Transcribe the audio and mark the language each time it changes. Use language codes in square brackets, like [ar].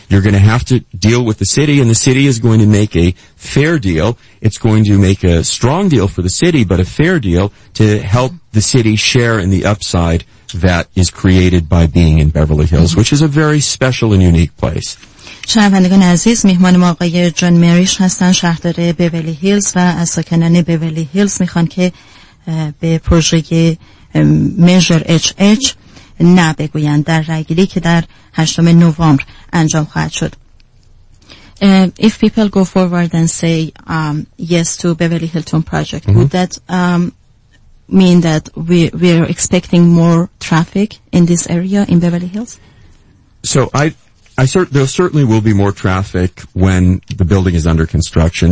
[en] You're going to have to deal with the city, and the city is going to make a fair deal. It's going to make a strong deal for the city, but a fair deal to help the city share in the upside that is created by being in Beverly Hills, which is a very special and unique place. [fa] شنوندگان عزیز، مهمان ما آقای جان مریش هستن، شهردار بیولی هیلز، و از ساکنان بیولی هیلز میخوان که به پروژه میجر اچ اچ نه بگویند در رایگیری که در 8 نوامبر انجام خواهد شد. [en] If people go forward and say yes to Beverly Hilton project, would that mean that we are expecting more traffic in this area in Beverly Hills? So there certainly will be more traffic when the building is under construction.